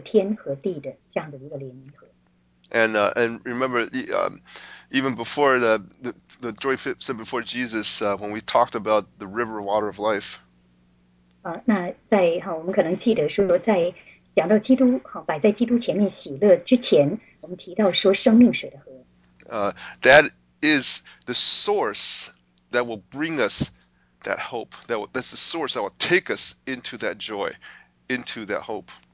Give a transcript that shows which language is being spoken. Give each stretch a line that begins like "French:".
Chinese: 那新妇、妻子、新耶路撒冷就是一个天和地的这样的一个联合。
English: And remember, even before the joy said before Jesus, when we talked about the river water of life.
Chinese: 那在我们可能记得说，在讲到基督摆在基督前面喜乐之前，我们提到说生命水的河。
English: That is the source that will bring us that hope. That's the source that will take us into that joy, into that hope.